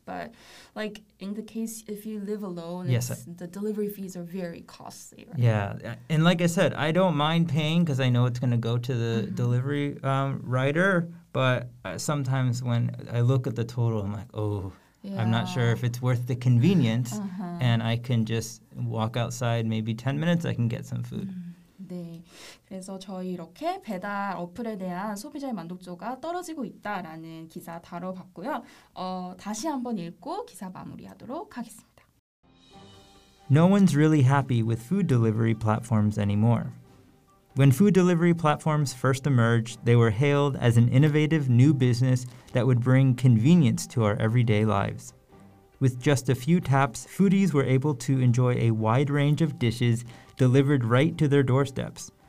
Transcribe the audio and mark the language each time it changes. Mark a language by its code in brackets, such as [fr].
[en] But, like, in the case if you live alone, the delivery fees are very costly. Right? Yeah. And like I said, I don't mind paying because I know it's going to go to the delivery rider. But sometimes when I look at the total, I'm like, oh, I'm not sure if it's worth the convenience. And I can just walk outside, maybe 10 minutes, I can get some food. [ko] 네, 그래서 저희 이렇게 배달 어플에 대한 소비자의 만족도가 떨어지고 있다라는 기사 다뤄봤고요. 다시 한번 읽고 기사 마무리하도록 하겠습니다. [en] No one's really happy with food delivery platforms anymore. When food delivery platforms first emerged, they were hailed as an innovative new business that would bring convenience to our everyday lives. With just a few taps, foodies were able to enjoy a wide range of dishes delivered right to their doorsteps.